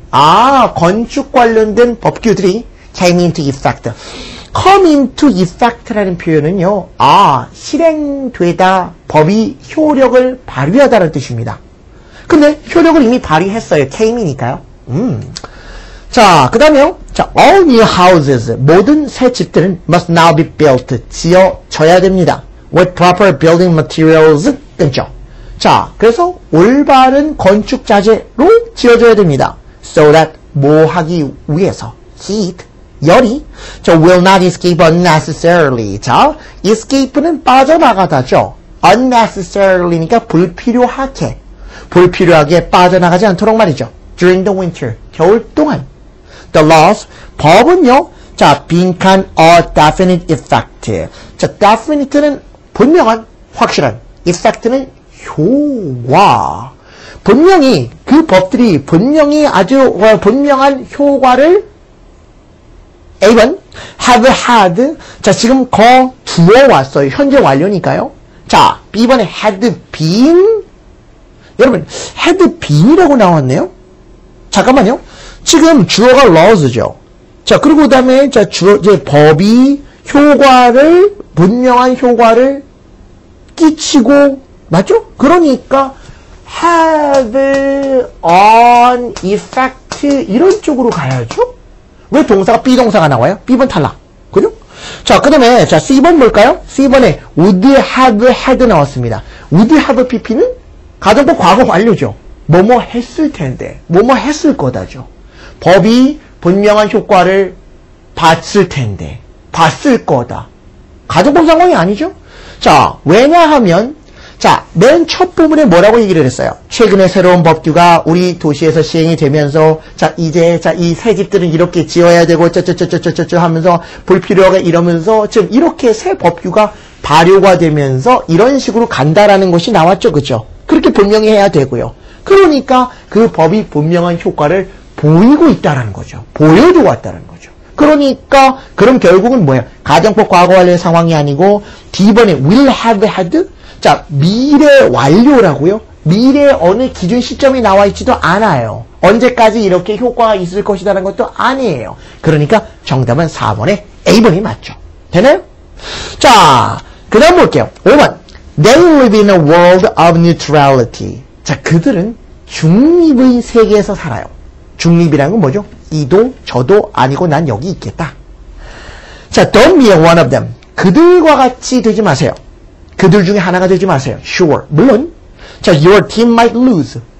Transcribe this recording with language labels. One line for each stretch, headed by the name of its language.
Korean: 아, 건축 관련된 법규들이 came into effect.
English: come into effect
Korean: 라는 표현은요, 아, 실행되다, 법이 효력을 발휘하다라는 뜻입니다. 근데 효력을 이미 발휘했어요. came이니까요. 자, 그 다음에요.
English: 자, all new houses,
Korean: 모든 새 집들은
English: must now be built,
Korean: 지어져야 됩니다.
English: with proper building materials, 그죠?
Korean: 자, 그래서 올바른 건축 자재로 지어져야 됩니다.
English: so that,
Korean: 뭐 하기 위해서,
English: heat,
Korean: 열이, 저
English: will not escape unnecessarily.
Korean: 자, escape는 빠져나가다죠. unnecessarily니까 불필요하게. 불필요하게 빠져나가지 않도록 말이죠.
English: during the winter,
Korean: 겨울 동안.
English: The laws,
Korean: 법은요, 자, 빈칸
English: a definite effect.
Korean: 자, definite는 분명한, 확실한, effect는 효과. 분명히, 그 법들이 분명히 아주 분명한 효과를 A번,
English: have had,
Korean: 자, 지금 거두어 왔어요. 현재 완료니까요. 자, B번에
English: had been,
Korean: 여러분, had been이라고 나왔네요. 잠깐만요. 지금 주어가 laws죠. 자, 그리고 그 다음에, 자, 주어, 이제 법이 효과를, 분명한 효과를 끼치고, 맞죠? 그러니까,
English: had an effect,
Korean: 이런 쪽으로 가야죠? 왜 동사가 B동사가 나와요? B번 탈락. 그죠? 자, 그 다음에, 자, C번 뭘까요? C번에
English: would have had
Korean: 나왔습니다.
English: would have PP
Korean: 는 가정법 과거 완료죠. 뭐뭐 했을 텐데, 뭐뭐 했을 거다죠. 법이 분명한 효과를 봤을 텐데, 봤을 거다. 가정법 상황이 아니죠? 자, 왜냐하면, 자, 맨 첫 부분에 뭐라고 얘기를 했어요? 최근에 새로운 법규가 우리 도시에서 시행이 되면서, 자, 이제, 자, 이 새 집들은 이렇게 지어야 되고, 쩌쩌쩌쩌쩌쩌 하면서, 불필요하게 이러면서, 지금 이렇게 새 법규가 발효가 되면서, 이런 식으로 간다라는 것이 나왔죠, 그죠? 그렇게 분명히 해야 되고요. 그러니까, 그 법이 분명한 효과를 보이고 있다라는 거죠. 보여도 왔다라는 거죠. 그러니까, 그럼 결국은 뭐예요? 가정법 과거 완료 상황이 아니고, D번에
English: will have had?
Korean: 자, 미래 완료라고요? 미래 어느 기준 시점이 나와 있지도 않아요. 언제까지 이렇게 효과가 있을 것이라는 것도 아니에요. 그러니까 정답은 4번에 A번이 맞죠. 되나요? 자, 그 다음 볼게요. 5번.
English: They live in a world of neutrality.
Korean: 자, 그들은 중립의 세계에서 살아요. 중립이라는 건 뭐죠? 이도 저도 아니고 난 여기 있겠다.
English: 자, don't be one of them.
Korean: 그들과 같이 되지 마세요. 그들 중에 하나가 되지 마세요.
English: Sure.
Korean: 물론. 자,
English: your team might lose.